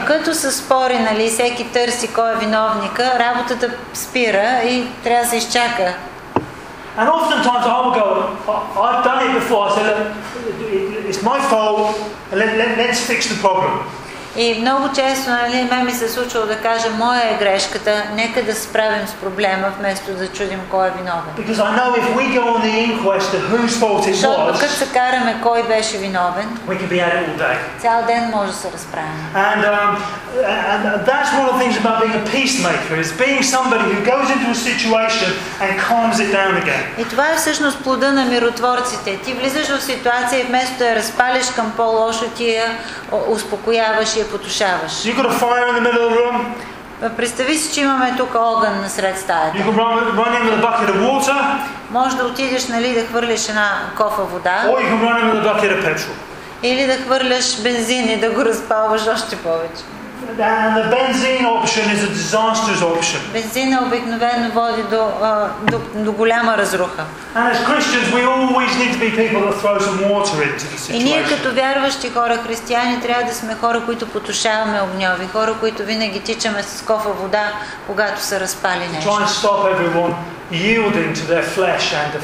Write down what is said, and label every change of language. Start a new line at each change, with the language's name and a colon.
Bulgarian: докато се спори, нали, всеки търси кой е виновника, работата спира и трябва да се изчака.
English: And often times I'll go, I've done it before, I said, it's my fault, let's fix the problem.
Bulgarian: И много често, нали, мен ми се случило да кажа, моя е грешката, нека да се справим с проблема, вместо да чудим кой е виновен.
English: Because I know if we go on the inquest to whose fault it was,
Bulgarian: докато се караме кой беше виновен,
English: we can be at it all day.
Bulgarian: Цял ден може да се разправим.
English: And that's one of the things about being a peacemaker, is being somebody who goes into a situation and calms it down again.
Bulgarian: И това е всъщност плода на миротворците. Ти влизаш в ситуация и вместо да я разпалиш към по-лошо, ти я успокояваш.
English: You got a fire in the middle of the room.
Bulgarian: Представи си, че имаме тук огън насред стаята.
English: You can run in with a bucket of water.
Bulgarian: Може да отидеш, нали, да хвърлиш една кофа вода.
English: Or you can run in with a bucket of petrol.
Bulgarian: Или да хвърляш бензин и да го разпалваш още повече.
English: And the benzene option is a disastrous option.
Bulgarian: Бензина обикновено води до голяма разруха.
English: And as Christians, we always need to be people that throw some water into the situation.
Bulgarian: И ние като вярващи хора, християни, трябва да сме хора, които потушаваме огньови, хора, които винаги тичаме с кофа вода, когато се разпали нещо.
English: Try and stop everyone yielding to their flesh and to fight.